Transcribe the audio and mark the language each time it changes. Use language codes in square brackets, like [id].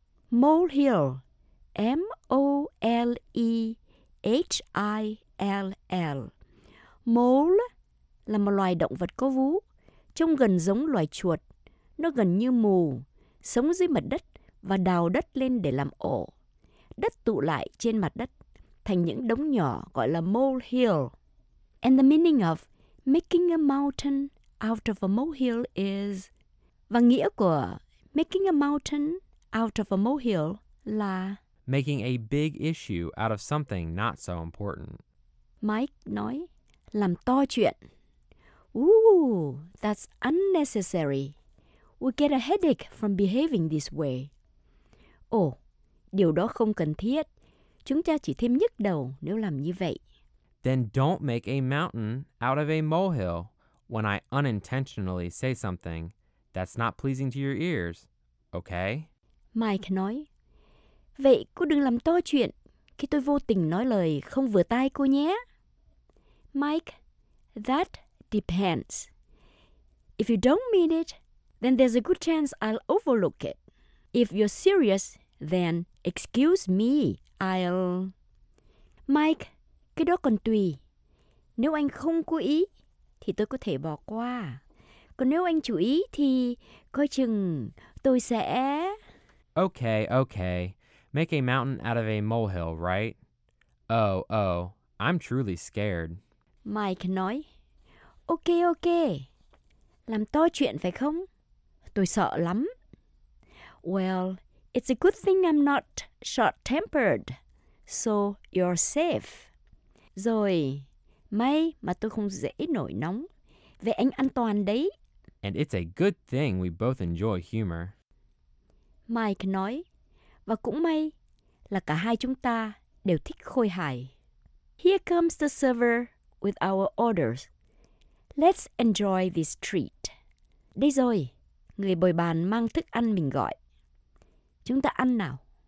[en] Molehill, M-O-L-E-H-I-L-L. [vi] Mole là một loài động vật có vú, trông gần giống loài chuột. Nó gần như mù, sống dưới mặt đất và đào đất lên để làm ổ. Đất tụ lại trên mặt đất thành những đống nhỏ gọi là molehill. [en] And the meaning of making a mountain out of a molehill is... [vi] Và nghĩa của [en] making a mountain out of a molehill [vi] là... [en] Making a big issue out of something not so important. [vi] Mike nói, làm to chuyện. [en] Ooh, that's unnecessary. We get a headache from behaving this way. [vi] Oh, điều đó không cần thiết. Chúng ta chỉ thêm nhức đầu nếu làm như vậy. [en] Then don't make a mountain out of a molehill when I unintentionally say something that's not pleasing to your ears, okay? [vi] Mike nói, vậy cô đừng làm to chuyện khi tôi vô tình nói lời không vừa tai cô nhé. [en] Mike, that depends. If you don't mean it, then there's a good chance I'll overlook it. If you're serious, then excuse me, I'll... [vi] Mike, cái đó còn tùy. Nếu anh không cố ý, thì tôi có thể bỏ qua. Còn nếu anh chú ý, thì coi chừng tôi sẽ... [en] Okay, okay. Make a mountain out of a molehill, right? Oh, I'm truly scared. [vi] Mike nói, ok, ok. Làm to chuyện phải không? Tôi sợ lắm. [en] Well, it's a good thing I'm not short-tempered, so you're safe. [vi] Rồi, may mà tôi không dễ nổi nóng. Vậy anh an toàn đấy. [en] And it's a good thing we both enjoy humor. [vi] Mike nói, và cũng may là cả hai chúng ta đều thích khôi hài. [en] Here comes the server with our orders. Let's enjoy this treat. [vi] Đây rồi, người bồi bàn mang thức ăn mình gọi. Chúng ta ăn nào.